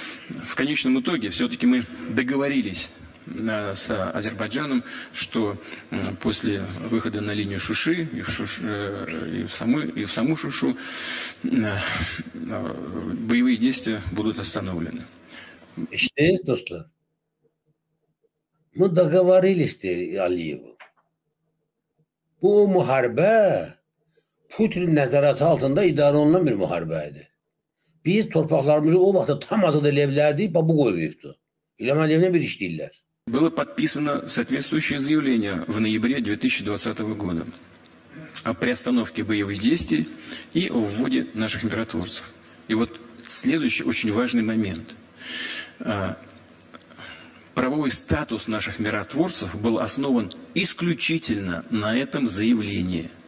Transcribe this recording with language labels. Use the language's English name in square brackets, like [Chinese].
[Russian] В конечном итоге все-таки мы договорились с Азербайджаном, что после выхода на линию Шуши и в саму Шушу боевые действия будут остановлены. Мы договорились, Алиеву. [Azerbaijani] По мухарбе. Путин nəzarəti altında idarə olunan bir müharibə idi. Biz torpaqlarımızı o vaxtda tam azad eləyə bilərdik, bax bu qoyubdu. İlham Əliyevinə bir iş deyirlər. [Russian] Было подписано соответствующее заявление в ноябре 2020 года о приостановке боевых действий и о вводе наших миротворцев. И вот следующий очень важный момент. Правовой статус наших миротворцев был основан исключительно на этом заявлении.